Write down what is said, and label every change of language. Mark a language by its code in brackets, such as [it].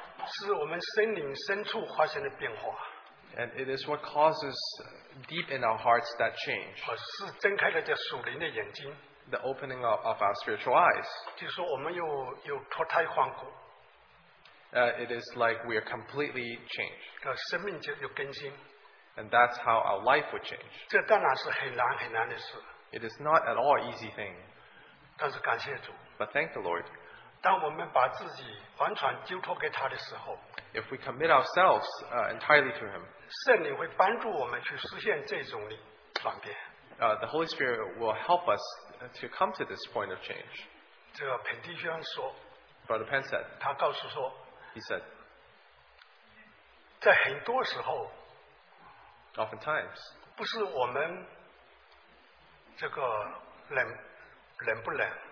[zh] 是我们心灵深处发生的变化。 [en] And it is what causes deep in our hearts that change. [zh] 是睁开了这属灵的眼睛。 [en] The opening of our spiritual eyes. [zh] 就是说我们又脱胎换骨。 [en] It is like we are completely changed. [zh] 生命就有更新。 [en] And that's how our life would change. [zh] 这当然是很难很难的事。 [en] It is not at all an easy thing. [zh] 但是感谢主。 [en] But thank the Lord. [zh] 当我们把自己完全交托给他的时候。 [en] If we commit ourselves entirely to Him, [zh] 圣灵会帮助我们去实现这种的转变。 [en] The Holy Spirit will help us to come to this point of change. [zh] 这个彭弟兄说, [en] Brother Penn said, [zh] 他告诉说, [en] He said, [zh] 在很多时候, [en] oftentimes, [zh] 不是我们这个冷不冷,